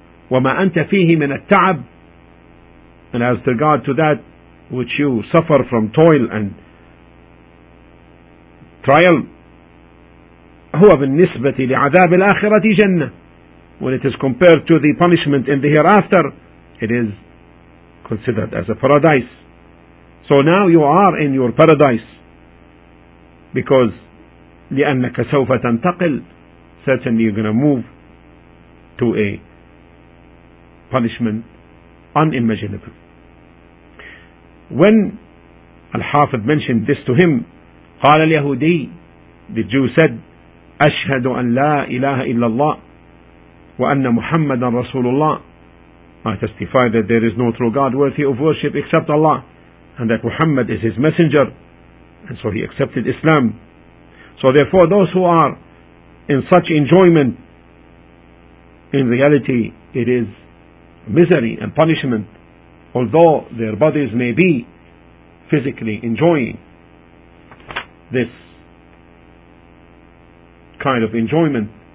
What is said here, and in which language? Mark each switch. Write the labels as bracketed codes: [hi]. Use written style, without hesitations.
[ar] وَمَا أَنْتَ فِيهِ مِنَ التَّعَبِ, [en] and as regard to that which you suffer from toil and trial, [ar] هُوَ بِالنِّسْبَةِ لِعَذَابِ الْآخِرَةِ جَنَّةِ, [en] when it is compared to the punishment in the hereafter, it is considered as a paradise. So now you are in your paradise, because [ar] لأنك سوف تنتقل, [en] certainly you're going to move to a punishment unimaginable. When Al-Hafidh mentioned this to him, [ar] قال اليهودي, [en] the Jew said, [ar] أشهد أن لا إله إلا الله وأن محمد رسول الله. [en] I testify that there is no true God worthy of worship except Allah, and that Muhammad is his messenger. And so he accepted Islam. So therefore those who are in such enjoyment, in reality it is misery and punishment, although their bodies may be physically enjoying this kind of enjoyment.